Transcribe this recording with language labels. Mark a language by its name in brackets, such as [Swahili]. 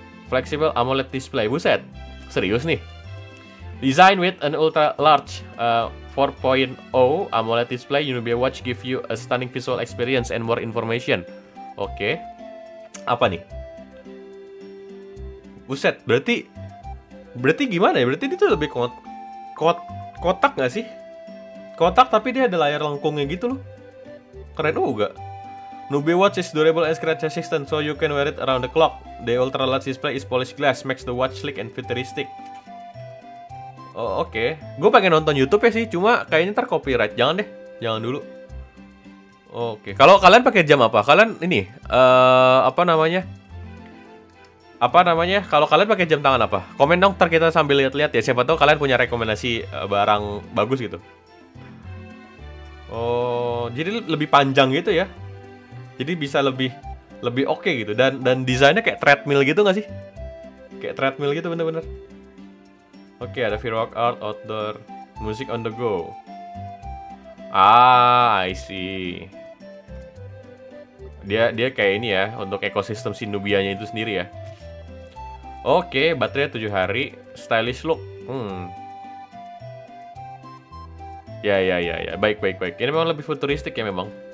[English] Flexible AMOLED display, [Indonesian] buset, serius nih. [English] Design with an ultra-large 4.0 AMOLED display, Nubia Watch give you a stunning visual experience and more information. Oke, okay. [Indonesian] Apa nih? Buset, berarti gimana ya? Berarti itu lebih kotak nggak sih? Kotak tapi dia ada layar lengkungnya gitu loh. Keren juga. [English] Nubia Watch is durable and scratch resistant, so you can wear it around the clock. The ultra large display is polished glass, makes the watch sleek and futuristic. [Indonesian] Oh, oke. Okay. Gue pengen nonton YouTube ya sih, cuma kayaknya ntar copyright. Jangan deh, jangan dulu. Oke. Okay. Kalau kalian pakai jam apa? Kalian ini apa namanya? Kalau kalian pakai jam tangan apa? Komen dong, ntar kita sambil lihat-lihat ya. Siapa tahu kalian punya rekomendasi barang bagus gitu. Oh, jadi lebih panjang gitu ya. Jadi bisa lebih oke okay gitu. Dan desainnya kayak treadmill gitu nggak sih? Kayak treadmill gitu bener-bener. [English] Oke, okay, ada free workout, outdoor, music on the go. Ah, I see. [Indonesian] Dia kayak ini ya, untuk ekosistem si Nubianya itu sendiri ya. Oke, okay, baterai 7 hari, stylish look. Ya. Baik. Ini memang lebih futuristik ya memang.